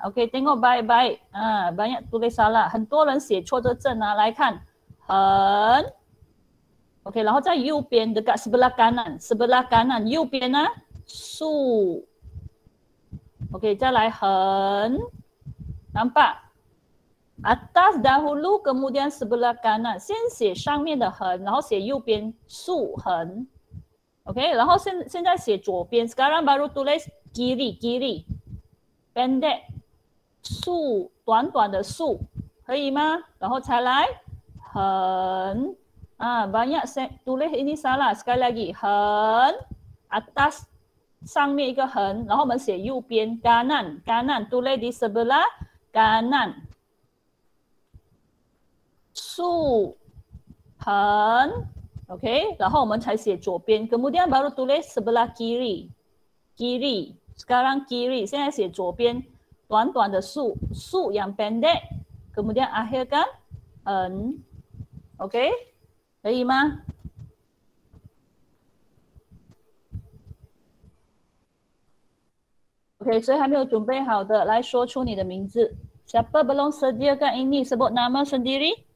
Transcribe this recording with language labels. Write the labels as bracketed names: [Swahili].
[Chinese] OK， [Malay] tengok baik-baik， [Chinese] 啊， [Malay] banyak tulis salah， [Chinese] 很多人写错这chen啊，来看横。 OK， 然后在右边的嘎 [Malay] sebelah kanan， sebelah kanan， [Chinese] 右边呢竖。 OK， 再来横， [Malay] nampak atas dahulu kemudian sebelah kanan， [Chinese] 先写上面的横，然后写右边竖横。 OK， 然后现在写左边， [Malay] sekarang baru tulis kiri kiri， [Chinese] pendek 竖短短的竖，可以吗？然后才来横。 [Malay] Ah, banyak tulis ini salah. Sekali lagi, 横 atas [Chinese] 上面一个横，然后我们写右边 [Malay] kanan kanan tulis di sebelah kanan. [Chinese] 竖横 ，OK， 然后我们才写左边。 [Malay] Kemudian baru tulis sebelah kiri kiri. Sekarang kiri， [Chinese] 现在写左边，短短的竖竖 [Malay] yang pendek. Kemudian akhirkan 横 ，OK。 [Chinese] 可以吗？ OK， 所以还没有准备好的来说出你的名字。 [Malay] Siapa belum sediakan ini sebut nama sendiri？